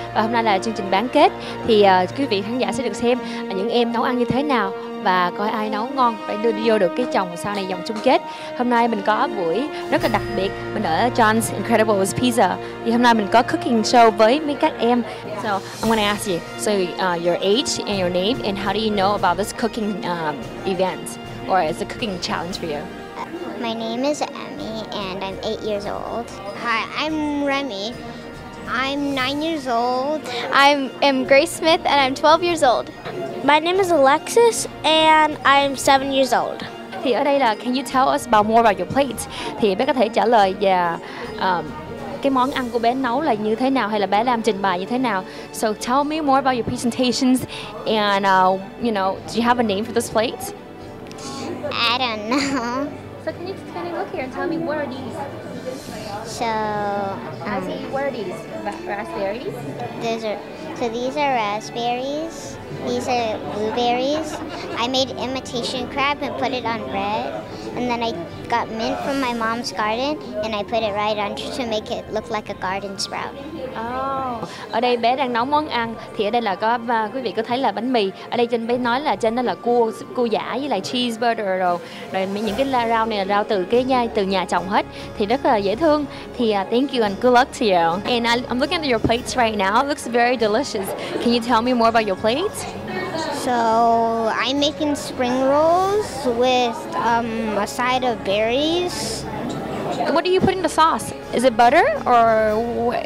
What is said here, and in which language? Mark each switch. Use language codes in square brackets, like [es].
[vi] Và hôm nay là chương trình bán kết. Thì quý vị khán giả sẽ được xem những em nấu ăn như thế nào và coi ai nấu ngon phải đưa đi vô được cái chồng sau này vòng chung kết. Hôm nay mình có buổi rất là đặc biệt, mình ở John's Incredible Pizza. Thì hôm nay mình có cooking show với mấy các em. [en] So I'm gonna ask you, so your age and your name, and how do you know about this cooking event or is a cooking challenge for you? My name is Emmy and I'm 8 years old. Hi, I'm Remy. I'm 9 years old. I am Grace Smith and I'm 12 years old. My name is Alexis and I'm 7 years old. [vi] Thì ở đây là [en] can you tell us about more about your plate? [vi] Thì bé có thể trả lời về cái món ăn của bé nấu là như thế nào hay là bé làm trình bày như thế nào. [en] So tell me more about your presentations and you know, do you have a name for this plate? I don't know. So can you kind of look here and tell me what are these? So, what are these? Raspberries? These are raspberries. These are blueberries. I made imitation crab and put it on bread. And then I got mint from my mom's garden and I put it right under to make it look like a garden sprout. [vi] Ở đây bé đang nấu món ăn. Thì ở đây là có quý vị có thấy là bánh mì. Ở đây trên bé nói là trên đó là cua giả với lại cheese butter rồi. Rồi những cái rau này là rau từ nhà trồng hết. Thì rất là dễ thương. [en] Thì thank you and good luck to you. And I'm looking at your plates right now. It looks very delicious. Can you tell me more about your plates? So I'm making spring rolls with a side of berries. What do you put in the sauce? Is it butter or what?